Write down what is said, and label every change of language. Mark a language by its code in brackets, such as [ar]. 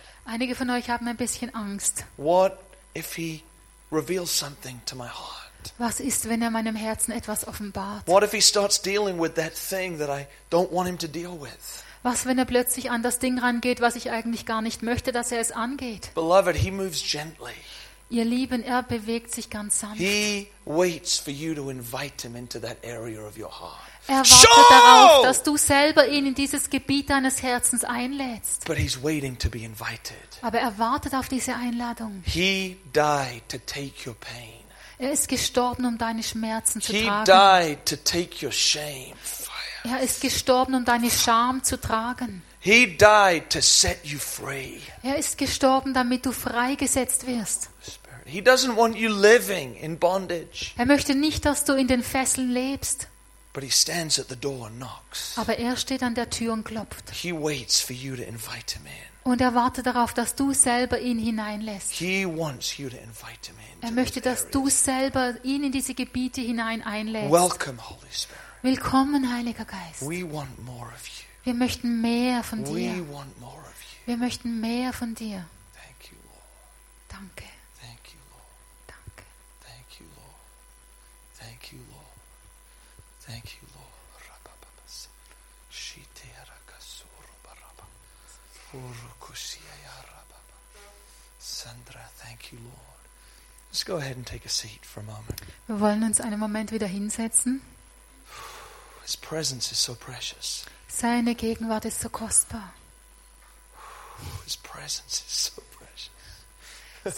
[de] Einige von euch haben ein bisschen Angst. [en] What if He reveals something to my heart? [de] Was ist, wenn er meinem Herzen etwas offenbart? [en] What if He starts dealing with that thing that I don't want Him to deal with? [de] Was, wenn er plötzlich an das Ding rangeht, was ich eigentlich gar nicht möchte, dass er es angeht? [en] Beloved, He moves gently. [de] Ihr Lieben, er bewegt sich ganz sanft. [en] He waits for you to invite him into that area of your heart. [de] Er wartet darauf, dass du selber ihn in dieses Gebiet deines Herzens einlädst. [en] But he's waiting to be invited. [de] Aber er wartet auf diese Einladung. [en] He died to take your pain. [de] Er ist gestorben, um deine Schmerzen zu [en] he [de] tragen. [en] He died to take your shame. [de] Er ist gestorben, um deine Scham zu tragen. [en] He died to set you free. [de] Er ist gestorben, damit du freigesetzt wirst. [en] He doesn't want you living in bondage. [de] Er möchte nicht, dass du in den Fesseln lebst. [en] But he stands at the door and knocks. [de] Aber er steht an der Tür und klopft. [en] He waits for you to invite him in. [de] Und er wartet darauf, dass du selber ihn hineinlässt. [en] He wants you to invite him in. [de] Er möchte, dass du selber ihn in diese Gebiete hinein einlässt. [en] Welcome, Holy Spirit. [de] Willkommen, Heiliger Geist. [en] We want more of you. [de] Wir möchten mehr von dir. [en] We want more of you. [de] Wir möchten mehr von dir. [en] Thank you, Lord. [de] Danke. [en] Thank you, Lord. [de] Danke. [en] Thank you, Lord. Thank you, Lord. Thank you, Lord. Rababas. Shitera kasuru baraba. Urukusia ya rababa. Sandra, thank you, Lord. Let's go ahead and take a seat for a moment. [de] Wir wollen uns einen Moment wieder hinsetzen. [en] His presence is so precious. [de] Seine Gegenwart ist so kostbar. [en] His presence is so precious.